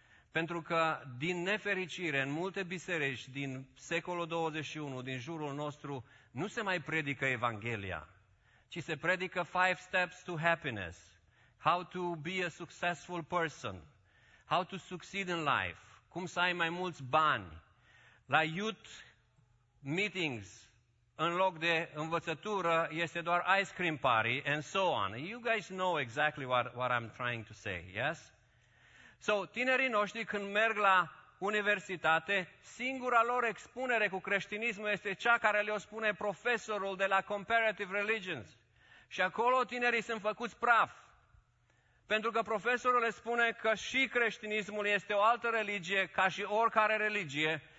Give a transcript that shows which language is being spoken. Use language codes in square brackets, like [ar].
[ro] Pentru că, din nefericire, în multe biserici din secolul 21, din jurul nostru, nu se mai predică Evanghelia, ci se predică [en] 5 steps to happiness, how to be a successful person, how to succeed in life, [ro] cum să ai mai mulți bani. La youth meetings, în loc de învățătură, este doar [en] ice cream party and so on. You guys know exactly what I'm trying to say, yes? [ro] So, tinerii noștri când merg la universitate, singura lor expunere cu creștinismul este cea care le-o spune profesorul de la Comparative Religions. Și acolo tinerii sunt făcuți praf. Pentru că profesorul le spune că și creștinismul este o altă religie ca și oricare religie.